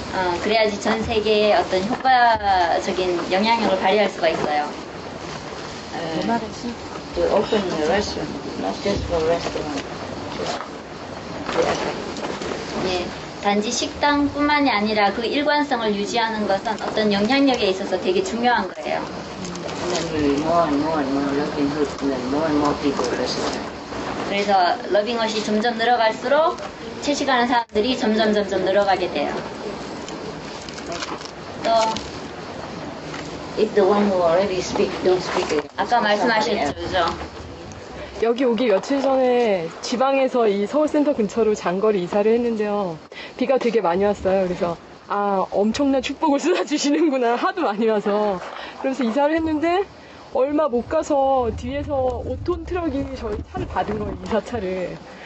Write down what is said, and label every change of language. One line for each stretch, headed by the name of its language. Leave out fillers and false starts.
Korean: 어, 그래야지 전 세계에 어떤 효과적인 영향력을 발휘할 수가 있어요.
English: To open the restaurant, not just for restaurant.
Korean: Yeah. 예, 단지 식당뿐만이 아니라 그 일관성을 유지하는 것은 어떤 영향력에 있어서 되게 중요한 거예요.
English: And then we'll be more and more Loving Hood, and then more and more people restaurant.
Korean: 그래서 Loving Hood이 점점 늘어갈수록 채식하는 사람들이 점점 늘어가게 돼요. 또
English: If the one who already speak, don't speak it.
Korean: 아까 말씀하셨죠, 그죠? 여기 오기 며칠 전에 지방에서 이 서울센터 근처로 장거리 이사를 했는데요. 비가 되게 많이 왔어요. 그래서 아, 엄청난 축복을 쏟아주시는구나. 하도 많이 와서. 그래서 이사를 했는데 얼마 못 가서 뒤에서 5톤 트럭이 저희 차를 받은 거예요, 이사차를.